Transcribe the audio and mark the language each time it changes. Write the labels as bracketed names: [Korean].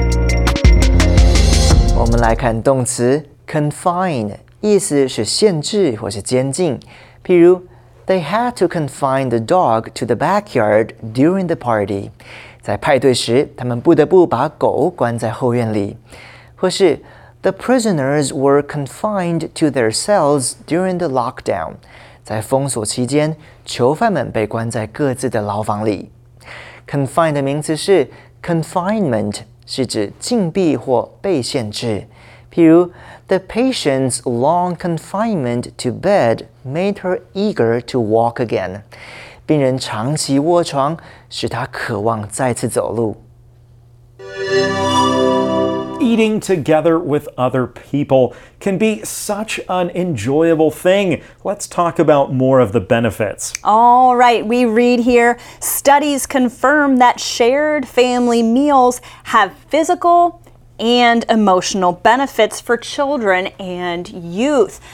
[English] We will look at the noun confine. [Chinese] 意思是限制或是监禁，譬如 [English] They had to confine the dog to the backyard during the party. [Chinese] 在派对时，他们不得不把狗关在后院里。或是 [English] The prisoners were confined to their cells during the lockdown. [Chinese] 在封锁期间，囚犯们被关在各自的牢房里。 Confine 的名词是 confinement， 是指禁闭或被限制。譬如 [English] The patient's long confinement to bed made her eager to walk again. [Chinese] 病人长期卧床使她渴望再次走路。 [English] Eating together with other people can be such an enjoyable thing. Let's talk about more of the benefits. All right, we read here, studies confirm that shared family meals have physical and emotional benefits for children and youth.